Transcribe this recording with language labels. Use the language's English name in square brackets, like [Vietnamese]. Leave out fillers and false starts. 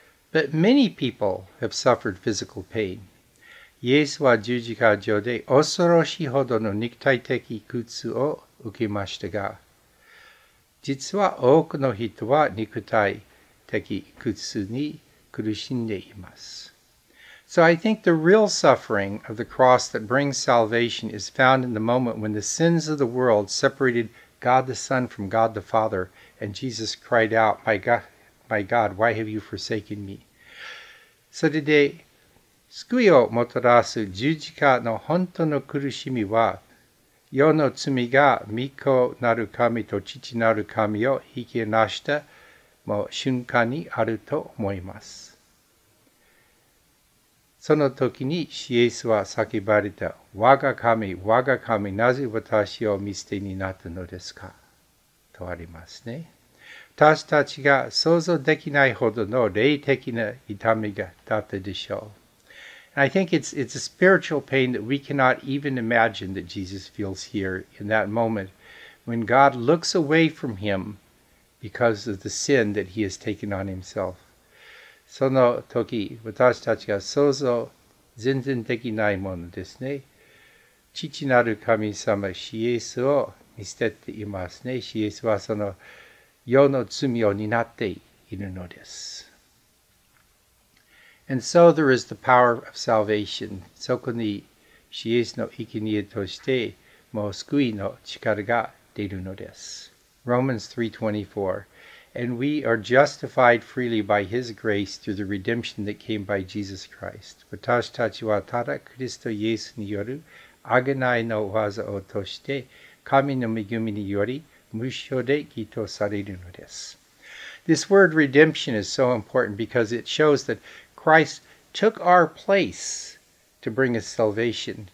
[English] But many people have suffered physical pain. [Japanese] イエスは十字架上で恐ろしいほどの肉体的苦痛を受けましたが、実は多くの人は肉体的苦痛に苦しんでいます。 [English] So I think the real suffering of the cross that brings salvation is found in the moment when the sins of the world separated God the Son from God the Father, and Jesus cried out, my God, why have you forsaken me? So today, [Japanese] 救いをもたらす十字架の本当の苦しみは、世の罪が御子なる神と父なる神を引き離したもう瞬間にあると思います。その時にイエスは叫ばれた、我が神、我が神、なぜ私を見捨てになったのですか?とありますね。私たちが想像できないほどの霊的な痛みがだったでしょう。 [English] And I think it's a spiritual pain that we cannot even imagine that Jesus feels here in that moment when God looks away from him because of the sin that he has taken on himself. [Japanese] その時、私たちが想像全然できないものですね。父なる神様、シエスを見捨てていますね。シエスはその世の罪を担っているのです。 [English] And so there is the power of salvation. [Japanese] そこにシエスの生贄として、もう救いの力が出るのです。 [English] Romans 3:24And we are justified freely by His grace through the redemption that came by Jesus Christ. [Japanese] 私たちはただクリストイエスによる贖いの業を通して神の恵みにより無償で義とされるのです。 [English] This word redemption is so important because it shows that Christ took our place to bring us salvation.